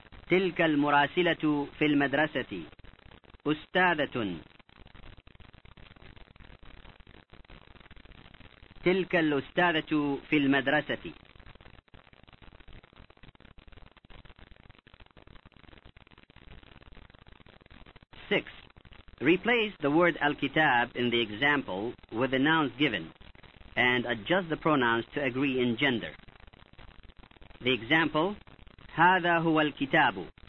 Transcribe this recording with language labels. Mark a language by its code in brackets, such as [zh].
[ar] تلك المراسلة في المدرسة أستاذة. تلك الأستاذة في المدرسة six. [en] Replace the word al-kitab in the example with the nouns given and adjust the pronouns to agree in gender. The example: [ar] هذا هو الكتاب.